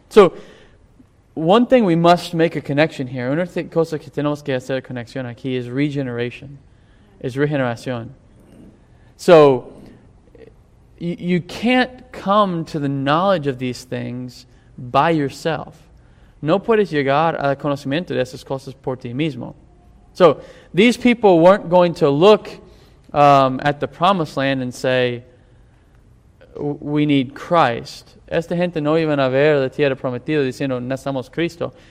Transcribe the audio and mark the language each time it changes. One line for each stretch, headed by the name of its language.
English: So, one thing we must make a connection here,
Spanish: una cosa que tenemos que hacer conexión aquí,
English: is regeneration. Is regeneración. So, you can't come to the knowledge of these things by yourself.
Spanish: No puedes llegar al conocimiento de esas cosas por ti mismo.
English: So, these people weren't going to look at the promised land and say, "We need Christ."
Spanish: Esta gente no iban a ver la tierra prometida diciendo, "Necesitamos Cristo."